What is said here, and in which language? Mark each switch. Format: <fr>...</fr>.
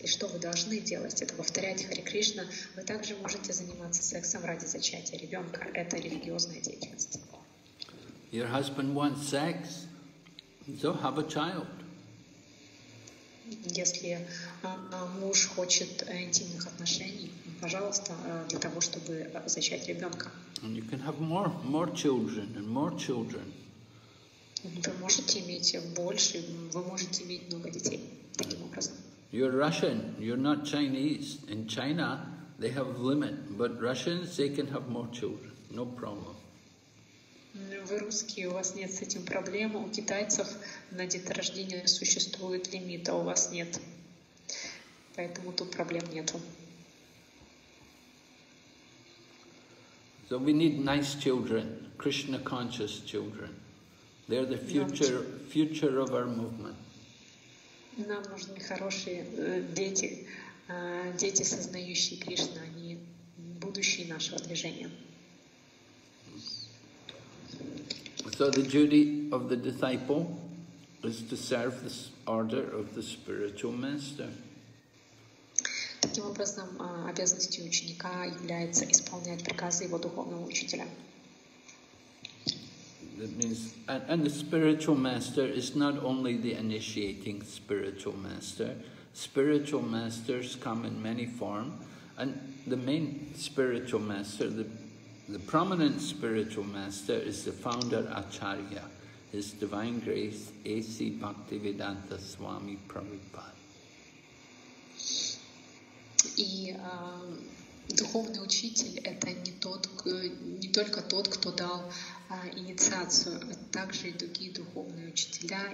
<ru>И что вы должны делать, это повторять Хари Кришна. Вы также можете заниматься сексом ради зачатия ребенка. Это религиозная деятельность.</ru> <en>Your husband wants sex, so have a child.</en> <ru>Если муж хочет интимных отношений, пожалуйста, для того, чтобы зачать ребенка.</ru> <en>And you can have more children and more children.</en> <ru>Вы можете иметь больше, вы можете иметь много детей таким образом.</ru> <en>You're Russian, you're not Chinese. In China, they have limit, but Russians, they can have more children, no problem.</en> <ru>Вы русские, у вас нет с этим проблем. У китайцев на деторождение существует лимит, а у вас нет. Поэтому тут проблем нету.</ru> <en>So we need nice children, Krishna conscious children. They are the future of our movement.</en> <ru>Нам нужны хорошие дети, дети, сознающие Кришну, они будущее нашего движения.</ru> <en>So the duty of the disciple is to serve the order of the spiritual master.</en> <ru>Таким образом, обязанностью ученика является исполнять приказы его духовного учителя.</ru> <en>That means, and the spiritual master is not only the initiating spiritual master. Spiritual masters come in many forms, and the main spiritual master, the prominent spiritual master is the founder Acharya, His Divine Grace A.C. Bhaktivedanta Swami Prabhupada.</en> <ru>И духовный учитель это не только тот, кто дал инициацию, а также и другие духовные учителя.</ru>